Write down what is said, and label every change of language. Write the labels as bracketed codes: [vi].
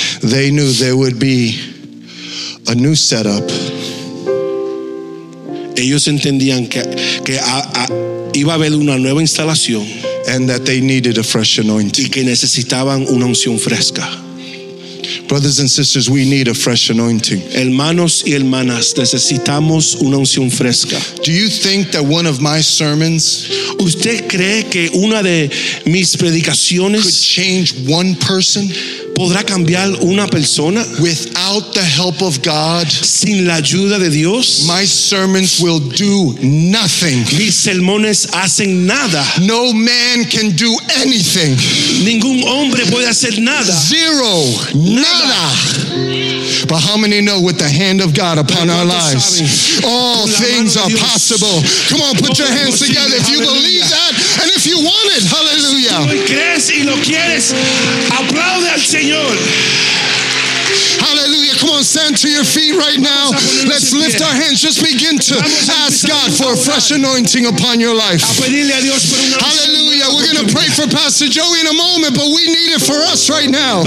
[en] they knew there would be a new setup. [es] Ellos entendían que iba a haber una nueva instalación, [en] and that they needed a fresh anointing. [es] Y que necesitaban una unción fresca. [en] Brothers and sisters, we need a fresh anointing. [es] Hermanos y hermanas, necesitamos una unción fresca. [en] Do you think that one of my sermons, [es] usted cree que una de mis predicaciones, [en] could change one person? [es] ¿Podrá cambiar una persona? [en] Without the help of God, [es] sin la ayuda de Dios, [en] my sermons will do nothing. [es] Mis sermones hacen nada. [en] No man can do anything. [es] Ningún hombre puede hacer nada. [en] Zero. [es] Nada. [en] But how many know with the hand of God upon our lives, all things are possible? Come on, put your hands together if you believe that and if you want it. Hallelujah. [es] Si crees y lo quieres, aplaude al Señor. [en] Hallelujah. Come on, stand to your feet right now. Let's lift our hands. Just begin to ask God for a fresh anointing upon your life. Hallelujah. We're going to pray for Pastor Joey in a moment, but we need it for us right now.